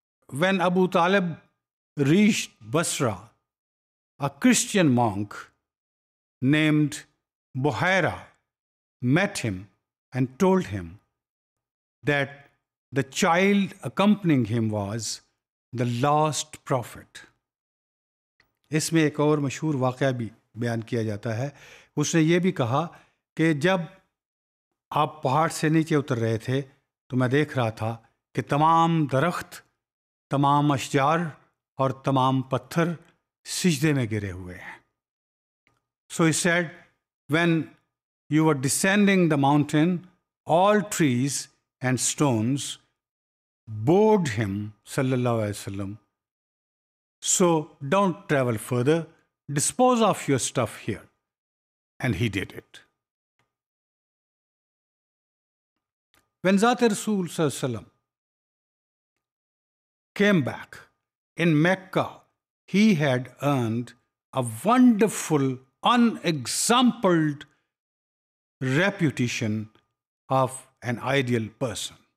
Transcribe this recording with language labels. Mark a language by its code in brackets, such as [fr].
[en] When Abu Talib reached Basra, a Christian monk named Buhaira met him and told him that the child accompanying him was the lost prophet. [ur] اس میں ایک اور مشہور واقعہ بھی بیان کیا جاتا ہے. اس نے یہ بھی کہا کہ جب آپ پہاڑ سے نیچے اتر رہے تھے تو میں دیکھ رہا تھا کہ تمام درخت, تمام اشجار اور تمام پتھر سجدے میں گرے ہوئے ہیں. [en] So he said, when you are descending the mountain all trees and stones bowed ہم صلی اللہ علیہ وسلم. So don't travel further, dispose of your stuff here. And he did it. When Zat-e Rasool sallam came back in Mecca, he had earned a wonderful, unexampled reputation of an ideal person.